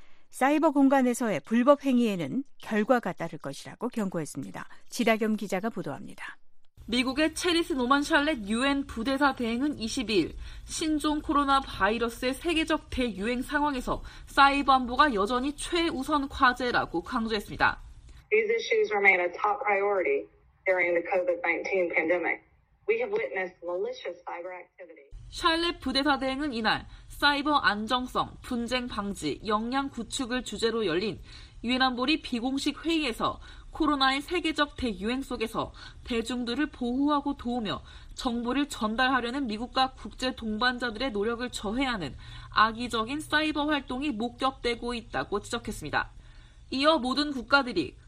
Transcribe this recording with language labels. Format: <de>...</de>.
<ko>사이버 공간에서의 불법 행위에는 결과가 따를 것이라고 경고했습니다. 지다겸 기자가 보도합니다. 미국의 체리스 노만 샬렛 유엔 부대사 대행은 20일 신종 코로나 바이러스의 세계적 대유행 상황에서 사이버 안보가 여전히 최우선 과제라고 강조했습니다.</ko> <en>These issues remain a top priority. During the COVID-19 pandemic, we have witnessed malicious cyber activity.</en> <ko>샬렛 부대사 대행은 이날 사이버 안정성, 분쟁 방지, 역량 구축을 주제로 열린 유엔 안보리 비공식 회의에서 코로나의 세계적 대유행 속에서 대중들을 보호하고 도우며 정보를 전달하려는 미국과 국제 동반자들의 노력을 저해하는 악의적인 사이버 활동이 목격되고 있다고 지적했습니다. 이어 모든 국가들이</ko>